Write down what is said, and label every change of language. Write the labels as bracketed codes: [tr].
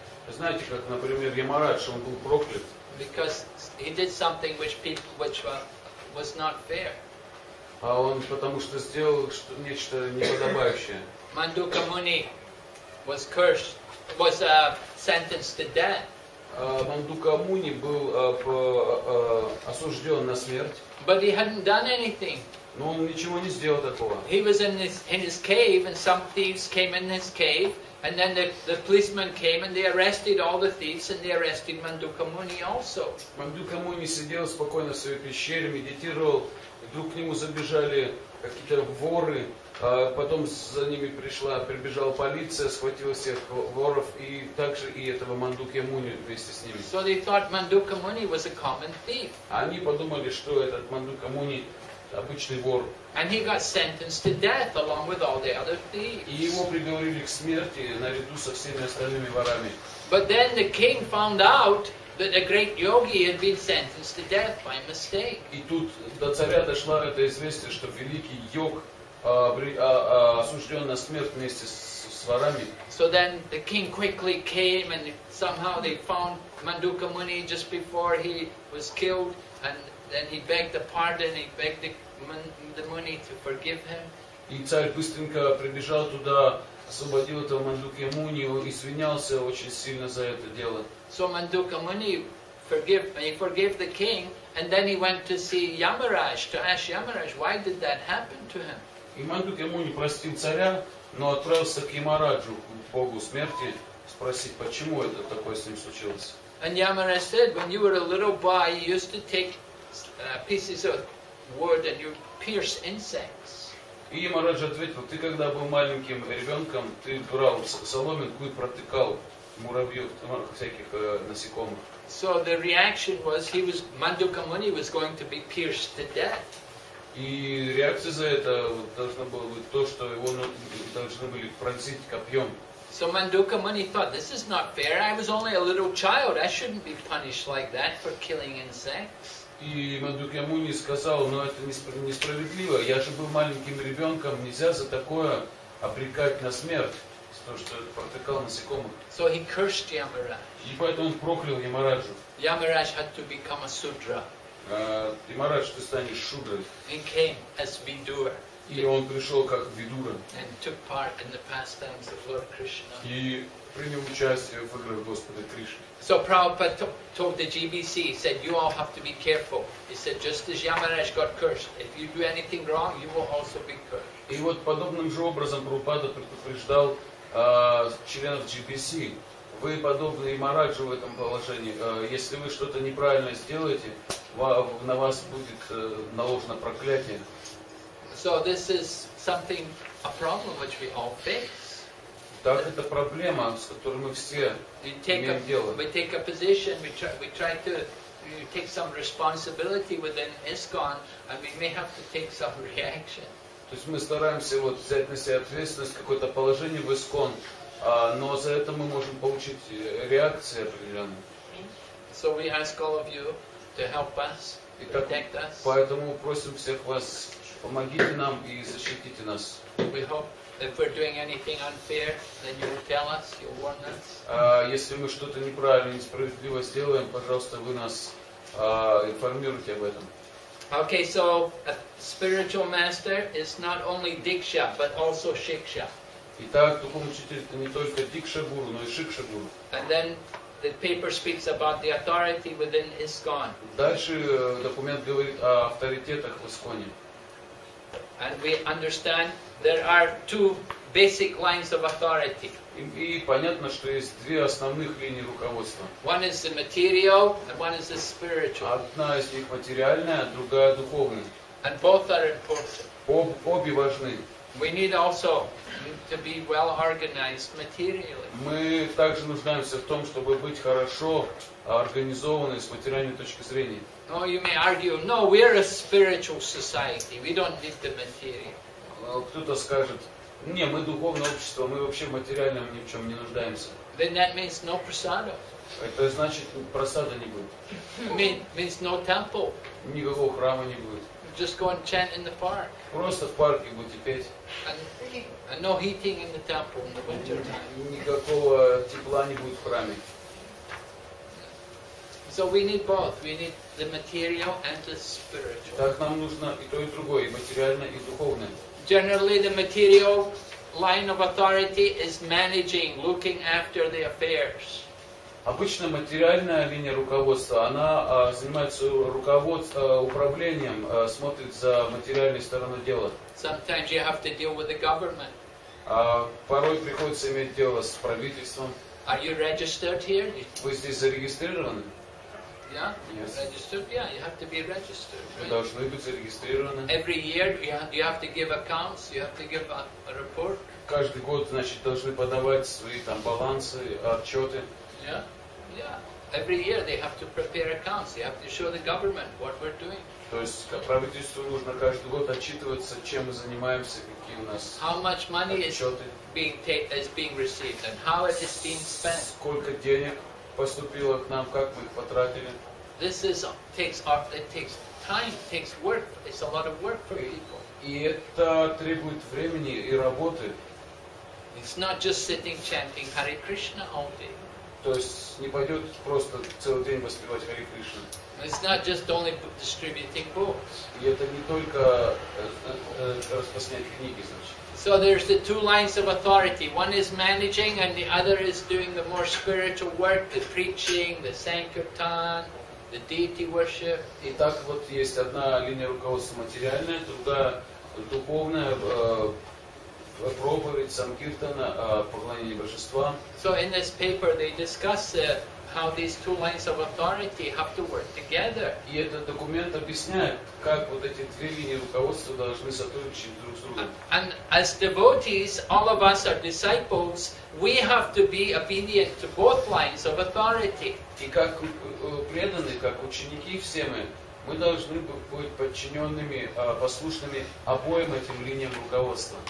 [ru] Знаете, как, например, Ямарадж, он был проклят. [en] Because he did something which was not fair. [ru] А он потому что сделал что нечто неподобающее. [en] Мандука Муни was cursed, was sentenced to death. [ru] Мандука Муни был осужден на смерть. [en] But he hadn't done anything. [ru] Но он ничего не сделал такого. [en] He was in his cave, and some thieves came in his cave, and then the policemen came and they arrested all the thieves, and they arrested Mandukka Muni also. [ru] Мандука Муни сидел спокойно в своей пещере, медитировал. Вдруг к нему забежали какие-то воры, а потом за ними прибежала полиция, схватила всех воров и также и этого Мандукки Муни вместе с ними. [en] So they thought Mandukka Muni was a common thief. [ru] Они подумали, что этот Мандукка Муни обычный вор. [en] And he got sentenced to death along with all the other thieves. [ru] И его приговорили к смерти наряду со всеми остальными ворами. [en] But then the king found out that a great yogi had been sentenced to death by mistake. [ru] И тут до царя дошло это известие, что великий йог осужден на смерть вместе с ворами. [en] So then the king quickly came and somehow they found Mandukka Muni just before he was killed, and then he begged the pardon, he begged the Muni to forgive him. [ru] И царь быстренько прибежал туда, освободил этого Мандукки Муни, и извинялся очень сильно за это дело. [en] So Mandukka Muni forgave the king, and then he went to see Yamaraj, to ask Yamaraj, why did that happen to him? [ru] И Мандукка Муни простил царя, но отправился к Ямараджу, к богу смерти, спросить, почему это такое с ним случилось. [en] And Yamaraj said, when you were a little boy, you used to take pieces of wood and you pierce insects. [ru] И Ямараджа ответил, ты когда был маленьким ребенком, ты брал соломинку и протыкал муравьев, всяких насекомых. [en] So the reaction was, Mandukka Muni was going to be pierced to death. [ru] И реакция за это должна была быть то, что его должны были пронзить копьем. [en] So Mandukka Muni thought, this is not fair, I was only a little child, I shouldn't be punished like that for killing insects. [ru] И Мандукка Муни сказал, ну это несправедливо, я же был маленьким ребенком, нельзя за такое обрекать на смерть, потому что это протыкал насекомых. [en] So he cursed Yamaraj. [ru] И поэтому он проклял Ямараджу. [en] Yamaraj had to become a sudra. [ru] Ямарадж, ты станешь шудрой. [en] He came as Vidura. [ru] И он пришел как Видура. [en] And took part in the pastimes of Lord Krishna. [ru] И принял участие в играх Господа Кришны. [en] So Prabhupada told the GBC, he said, you all have to be careful. He said, just as Yamaraj got cursed, if you do anything wrong, you will also be cursed. [ru] И вот подобным же образом Прабхупада предупреждал членов GBC, вы подобны Ямараджу в этом положении, если вы что-то неправильно сделаете, на вас будет наложено проклятие. [en] So this is something, a problem which we all face. [ru] Так это проблема, с которой мы все имеем дело. [en] We take a position, we take some responsibility within ISKCON, and we may have to take some reaction. [ru] То есть мы стараемся вот взять на себя ответственность, какое-то положение в ИСКОН, но за это мы можем получить реакцию определенную. [en] So we ask all of you to help us, protect us. [ru] Поэтому просим всех вас, помогите нам и защитите нас. [en] We hope if we're doing anything unfair, then you will tell us, you'll warn us. [ru] Если мы что-то неправильно, несправедливо сделаем, пожалуйста, вы нас информируйте об этом. [en] Okay, so a spiritual master is not only Diksha, but also Shiksha. [ru] Итак, духовный учитель это не только Дикша-гуру, но и Шикша-гуру. [en] And then the paper speaks about the authority within ISKCON. [ru] Дальше документ говорит о авторитетах в ИСКОНе. [en] And we understand there are two basic lines of authority. [ru] И понятно, что есть две основных линии руководства. [en] One is the material, and one is the spiritual. [ru] Одна из них материальная, другая духовная. [en] And both are important. [ru] Обе важны. [en] We need also to be well organized materially. [ru] Мы также нуждаемся в том, чтобы быть хорошо организованы с материальной точки зрения. [en] No, you may argue, no, we're a spiritual society. We don't need the material. [ru] Кто-то скажет, не, мы духовное общество, мы вообще в материальном ни в чем не нуждаемся. [en] Then that means no prasada. [ru] Это значит, прасада не будет. [en] Means no temple. [ru] Никакого храма не будет. [en] Just go and chant in the park. [ru] Просто в парке будете петь. [en] And no heating in the temple in the winter time. [ru] Никакого тепла не будет в храме. [en] So we need both. We need the material and the spiritual. [ru] Так нам нужно и то, и другое, и материальное, и духовное. [en] Generally, the material line of authority is managing, looking after the affairs. [ru] Обычно материальная линия руководства, она занимается руководством, управлением, смотрит за материальной стороной дела. [en] Sometimes you have to deal with the government. [ru] Порой приходится иметь дело с правительством. [en] Are you registered here? [ru] Вы здесь зарегистрированы? [en] Yeah, yes. Registered. Yeah, you have to be registered. Right? Every year you have to give accounts, a report. Yeah. Every year they have to prepare accounts. You have to show the government what we're doing. [ru] То есть правительству нужно каждый год отчитываться, чем мы занимаемся, какие у нас отчеты. [en] How much money is being received and how it is being spent? [ru] Сколько денег поступило к нам, как мы их потратили? [en] It takes time, takes work. It's a lot of work for people. [ru] И это требует времени и работы. [en] It's not just sitting chanting Hare Krishna all day. [ru] То есть не пойдет просто целый день воспевать Хари Кришну. [en] It's not just only distributing books. [ru] И это не только распространять книги, значит. [en] So there's the two lines of authority. One is managing, and the other is doing the more spiritual work, the preaching, the sankirtan, the deity worship. [ru] Итак, вот есть одна линия руководства материальная, другая духовная. Проповедь самкиртана, поклонение божества. [en] So in this paper they discuss how these two lines of authority have to work together. [ru] И этот документ объясняет, как вот эти две линии руководства должны сотрудничать друг с другом. [en] And as devotees, all of us are disciples, we have to be obedient to both lines of authority. [ru] И как преданные, как ученики все мы, мы должны быть подчиненными, послушными обоим этим линиям руководства.